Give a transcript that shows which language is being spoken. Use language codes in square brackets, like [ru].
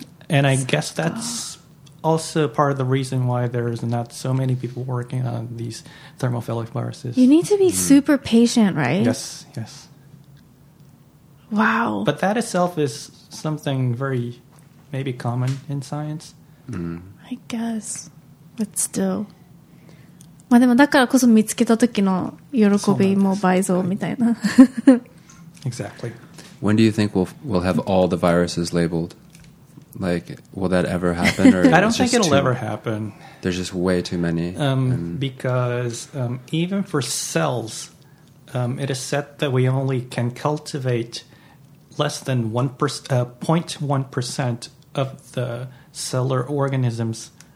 [en] And I guess that's also part of the reason why there's not so many people working on these thermophilic viruses. You need to be super patient, right? Yes. Yes. Wow. But that itself is something very, maybe common in science. I guess. But still. [ja] まあでもだからこそ見つけた時の喜びも倍増みたいな。 [en] Exactly. When do you think we'll have all the viruses labeled? Like, will that ever happen? Or I don't think it'll ever happen. There's just way too many. Because even for cells, it is said that we only can cultivate less than 0.1% of the cellular organisms.